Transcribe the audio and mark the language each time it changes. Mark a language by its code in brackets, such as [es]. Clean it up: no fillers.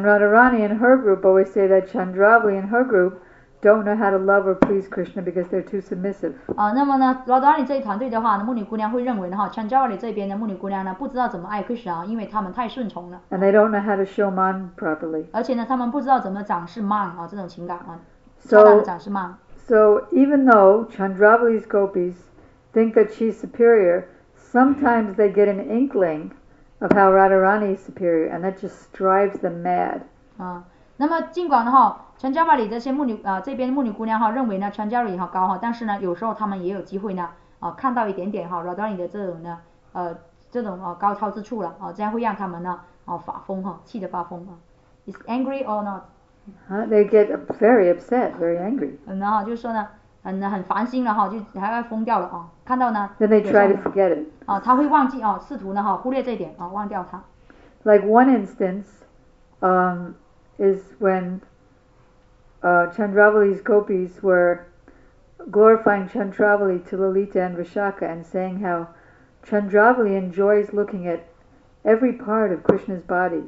[en] And Radharani and her group always say that Chandravali and her group don't know how to love or please Krishna because they're too submissive. [zh] 那么呢 ，Radharani 这一团队的话呢，木女姑娘会认为呢哈 ，Chandravali 这边的木女姑娘呢，不知道怎么爱 Krishna， 因为他们太顺从了。 [en] And they don't know how to show man properly. [zh] 而且呢，他们不知道怎么展示 man 啊这种情感啊， [en] so, [zh] 恰当的展示 man. [en] So even though Chandravali's gopis think that she's superior, sometimes they get an inkling of how Radharani is superior, and that just drives them mad. [zh] 那么尽管呢哈。Chandravali 这些木女啊，这边木女姑娘哈认为呢 Chandravali 哈高哈，但是呢有时候他们也有机会呢看到一点点哈 Radharani 的这种呢这种高超之处了这样会让他们呢发疯哈，气得发疯啊。 [en] Is angry or not? They get very upset, very angry. [zh] 然后就是说呢，很烦心了哈，就还要疯掉了看到呢。 [en] Then they try to forget it. [zh] 他会忘记试图呢忽略这一点忘掉他。 [en] Like one instance, is when Chandravali's gopis were glorifying Chandravali to Lalita and Vishakha and saying how Chandravali enjoys looking at every part of Krishna's body.